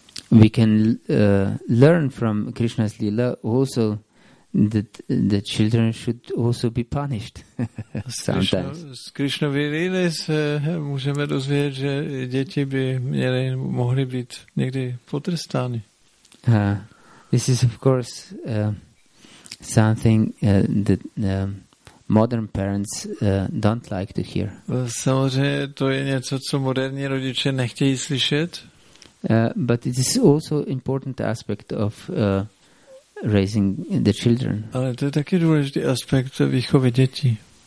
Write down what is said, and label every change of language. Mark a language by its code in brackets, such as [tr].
[en] We can learn from Krishna's Lila also that the children should also be punished sometimes. [cs] Z Krišnovy Lily se můžeme dozvědět, že děti by měly, mohly být někdy potrestány. [en] This is of course something that modern parents don't like to hear. [cs] Samozřejmě to je něco, co moderní rodiče nechtějí slyšet. [en] But it is also important aspect of raising the children. [cs] Ale to je taky důležitý aspekt výchovy dětí.